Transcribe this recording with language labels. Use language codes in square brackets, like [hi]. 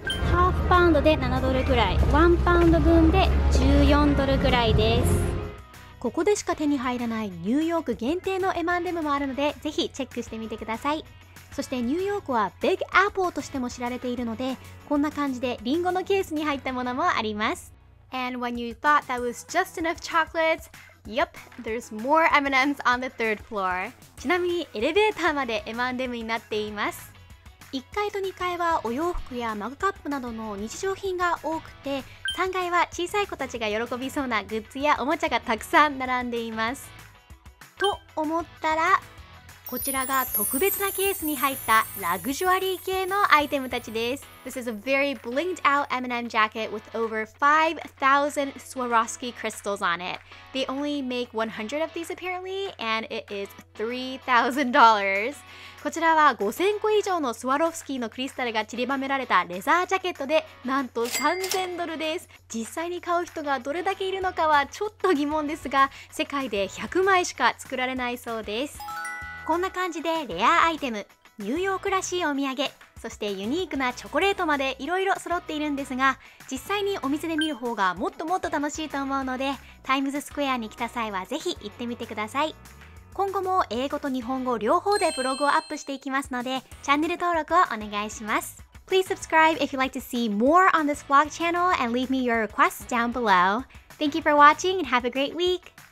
[ja] ハーフパウンドで7ドルくらい、1パウンド分で14ドルくらいです。ここでしか手に入らないニューヨーク限定の M&M もあるので、ぜひチェックしてみてください。そしてニューヨークはビッグアップルとしても知られているので、こんな感じでリンゴのケースに入ったものもあります。 [en] And when you thought that was just enough chocolates, yep, there's more M&M's on the third floor. [ja] ちなみにエレベーターまで M&M になっています。1階と2階はお洋服やマグカップなどの日常品が多くて、3階は小さい子たちが喜びそうなグッズやおもちゃがたくさん並んでいます。と思ったら、こちらが特別なケースに入ったラグジュアリー系のアイテムたちです。 [en] This is a very blinged out M&M jacket with over 5,000 Swarovski crystals on it. They only make 100 of these apparently, and it is $3,000. [ja] こちらは5000個以上のスワロフスキーのクリスタルが散りばめられたレザージャケットで、なんと3000ドルです。実際に買う人がどれだけいるのかはちょっと疑問ですが、世界で100枚しか作られないそうです。こんな感じでレアアイテム、ニューヨークらしいお土産、そしてユニークなチョコレートまでいろいろ揃っているんですが、実際にお店で見る方がもっともっと楽しいと思うので、タイムズスクエアに来た際はぜひ行ってみてください。今後も英語と日本語両方でブログをアップしていきますので、チャンネル登録をお願いします。 [en] Please subscribe if you'd like to see more on this vlog channel and leave me your requests down below. Thank you for watching and have a great week.